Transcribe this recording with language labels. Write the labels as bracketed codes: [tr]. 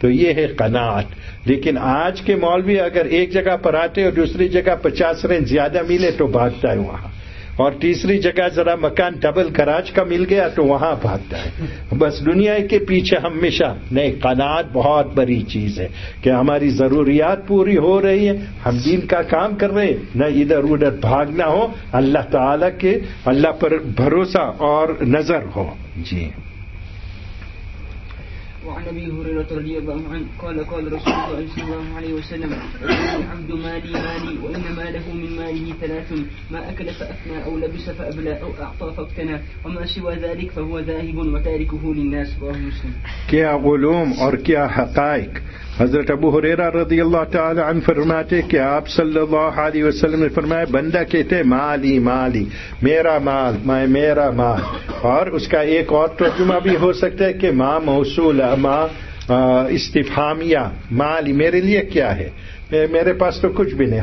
[ur] تو یہ ہے قناعت. لیکن آج کے مولوی اگر ایک جگہ پر آتے اور دوسری جگہ 50 رینج زیادہ ملے تو بھاگتا ہے وہاں, اور تیسری جگہ ذرا مکان ڈبل گراج کا مل گیا تو وہاں بھاگتا ہے, بس دنیا کے پیچھے ہمیشہ. نہیں, قناعت بہت بڑی چیز ہے کہ ہماری ضروریات پوری ہو رہی ہیں, ہم دین کا کام کر رہے ہیں, نہ ادھر ادھر بھاگنا ہو, اللہ تعالی کے اللہ پر بھروسہ اور نظر ہو. جی. [ar] وعن ابي هريره رضي الله عنه قال قال رسول الله صلى الله عليه وسلم الحمد مالي مالي وانما له من ماله ثلاث ما اكل فافنى او لبس فابلى او اعطى فابتنى وما سوى ذلك فهو ذاهب وتاركه للناس رواه مسلم. [ur] كيا علوم اور کیا حقائق. حضرت ابو ہریرہ رضی اللہ تعالی عنہ فرماتے کہ آپ صلی اللہ علیہ وسلم نے فرمایا, بندہ کہتے [ar] مالی مالی, [ur] میرا مال, میں میرا مال, اور اس کا ایک اور ترجمہ بھی ہو سکتا ہے کہ ماں موصولہ, ماں استفہامیہ، مال میرے لیے کیا ہے، میرے پاس تو کچھ بھی نہیں.